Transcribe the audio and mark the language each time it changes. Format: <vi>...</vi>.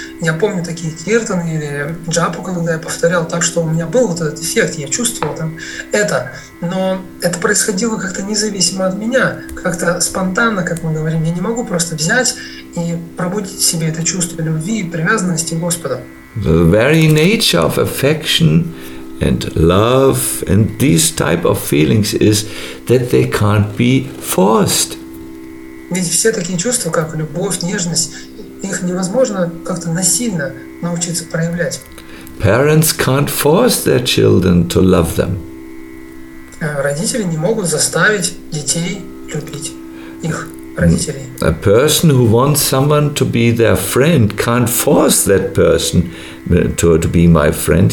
<ru>Я помню такие киртаны или джапу, когда я повторял так, что у меня был вот этот эффект, я чувствовал там это. Но это происходило как-то независимо от меня, как-то спонтанно, как мы говорим. Я не могу просто взять и пробудить в себе это чувство любви и привязанности к Господу.</ru> <en>The very nature of affection and love and these type of feelings is that they can't be forced.</en> <ru>Ведь все такие чувства, как любовь, нежность, их невозможно как-то насильно научиться проявлять.</ru> <en>Parents can't force their children to love them.</en> <ru>Родители не могут заставить детей любить их родителей.</ru> <en>A person who wants someone to be their friend can't force that person to be my friend.</en>